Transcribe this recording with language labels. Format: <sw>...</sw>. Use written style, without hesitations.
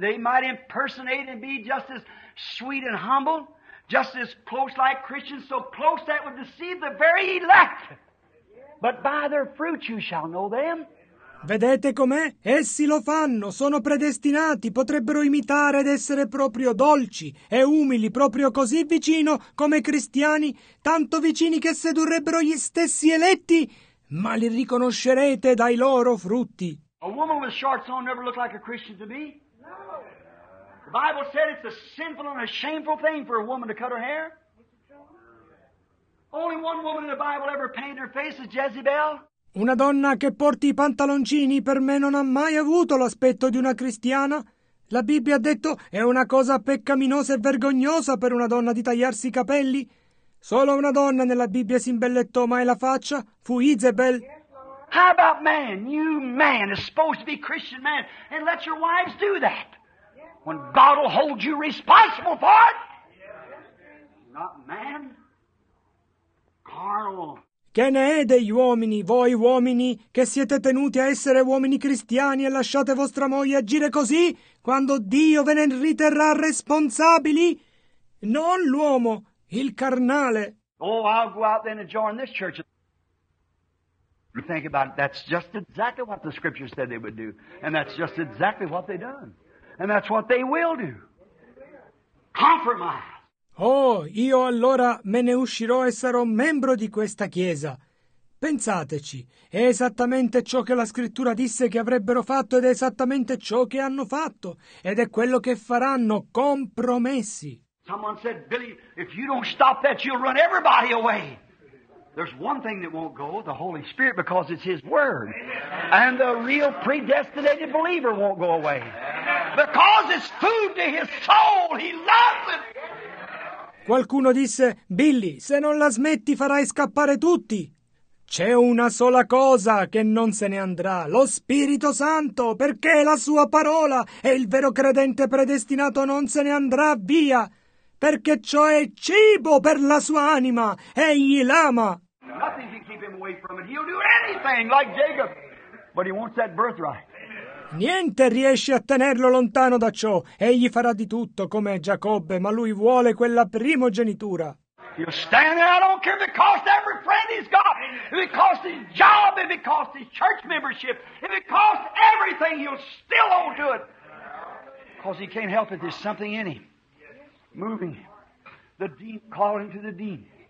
<en>They might impersonate and be just as sweet and humble, just as close like Christians, so close that would deceive the very elect. But by their fruit you shall know them.</en> <it>Vedete com'è? Essi lo fanno, sono predestinati, potrebbero imitare ed essere proprio dolci e umili, proprio così vicino come cristiani, tanto vicini che sedurrebbero gli stessi eletti. Ma li riconoscerete dai loro frutti.</it> <en>A woman with shorts on never looked like a Christian to me. The Bible said it's a sinful and a shameful thing for a woman to cut her hair. Only one woman in the Bible ever painted her face is Jezebel.</en> <it>Una donna che porti i pantaloncini per me non ha mai avuto l'aspetto di una cristiana. La Bibbia ha detto è una cosa peccaminosa e vergognosa per una donna di tagliarsi i capelli. Solo una donna nella Bibbia si imbellettò mai la faccia, fu Isabel.</it> <en>How about man? You man is supposed to be Christian man and let your wives do that. When God will hold you responsible for it. Not man. Carnal.</en> <it>Che ne è degli uomini, voi uomini, che siete tenuti a essere uomini cristiani e lasciate vostra moglie agire così quando Dio ve ne riterrà responsabili? Non l'uomo. Il carnale.</it> <en>Oh, I'll go out then and join this church. Think about it. That's just exactly what the scripture said they would do. And that's just exactly what they've done. And that's what they will do. Compromise.</en> <it>Oh, io allora me ne uscirò e sarò membro di questa chiesa. Pensateci, è esattamente ciò che la scrittura disse che avrebbero fatto ed è esattamente ciò che hanno fatto. Ed è quello che faranno, compromessi.</it> <en>Someone said, Billy, if you don't stop that, you'll run everybody away. There's one thing that won't go, the Holy Spirit, because it's His Word. And the real predestinated believer won't go away. Because it's food to his soul. He loves it.</en> <it>Qualcuno disse, Billy, se non la smetti farai scappare tutti. C'è una sola cosa che non se ne andrà, lo Spirito Santo, perché è la sua parola e il vero credente predestinato non se ne andrà via. Perché ciò è cibo per la sua anima. Egli l'ama.</it> <en>Nothing can keep him away from it. He'll do anything like Jacob. But he wants that birthright.</en> <it>Niente riesce a tenerlo lontano da ciò. Egli farà di tutto come Giacobbe, ma lui vuole quella primogenitura.</it> <en>He'll stand there, I don't care if it costs every friend he's got. If it costs his job, if it costs his church membership, if it costs everything, he'll still hold to it. Because he can't help it. There's something in him. Moving, the dean calling to the dean.</en>